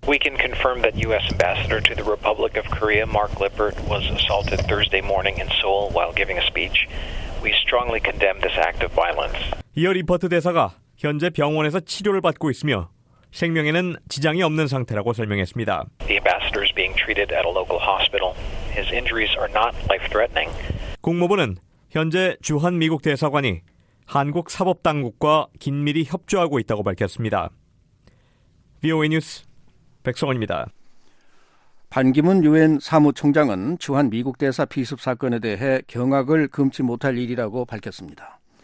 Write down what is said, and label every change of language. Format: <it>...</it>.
<en>We can confirm that U.S. Ambassador to the Republic of Korea Mark Lippert was assaulted Thursday morning in Seoul while giving a speech. We strongly condemn this act of violence.</en> <ko>이어 리퍼트 대사가 현재 병원에서 치료를 받고 있으며 생명에는 지장이 없는 상태라고 설명했습니다.</ko> <en>The ambassador is being treated at a local hospital. His injuries are not life-threatening.</en> <ko>국무부는 현재 주한 미국 대사관이 한국 사법 당국과 긴밀히 협조하고 있다고 밝혔습니다. VOA 뉴스 백성원입니다. 반기문 유엔 사무총장은 주한 미국 대사 피습 사건에 대해 경악을 금치 못할 일이라고 밝혔습니다.</ko>